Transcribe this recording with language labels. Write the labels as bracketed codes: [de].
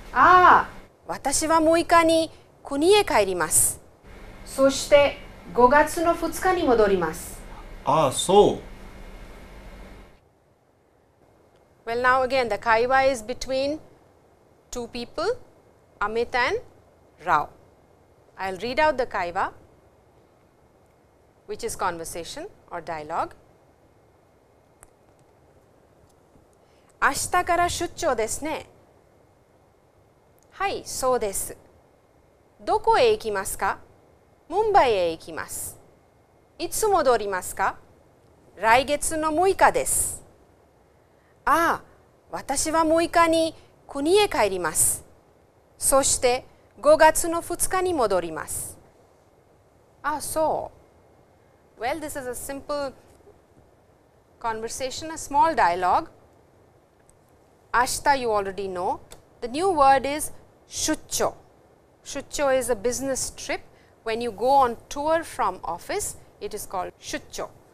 [ja] ああ、私は6日に国へ帰ります。そして5月の2日に戻ります。ああ、そう。 [en] Well, now again, the kaiwa is between two people, Amit and Rao. I'll read out the kaiwa, which is conversation or dialogue. [ja] 明日から出張ですね。はい、そうです。どこへ行きますか? ムンバイへ行きます。いつ戻りますか? 来月の6日です。ああ、私は6日に国へ帰ります。そして5月の2日に戻ります。ああ、そう。 [en] Well, this is a simple conversation, a small dialogue. Ashita, you already know. The new word is shuchō. Shuchō is a business trip. When you go on tour from office, it is called shuchō.